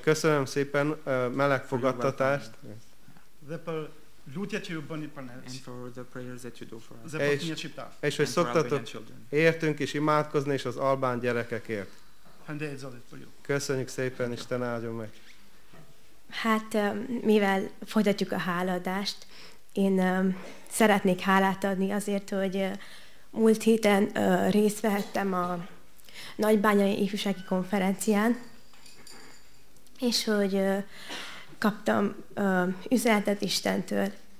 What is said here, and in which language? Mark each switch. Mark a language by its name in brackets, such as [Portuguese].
[Hungarian] Köszönöm szépen meleg fogadtatást. [English] And for the prayers that you do for us. [Hungarian] És hogy szoktatok értünk is imádkozni és az albán gyerekekért. Köszönjük szépen, Isten áldjon meg. Hát, mivel folytatjuk a hálaadást, én szeretnék hálát adni azért, hogy múlt héten részt vehettem a nagybányai ifjúsági konferencián, és hogy kaptam üzenetet Istentől.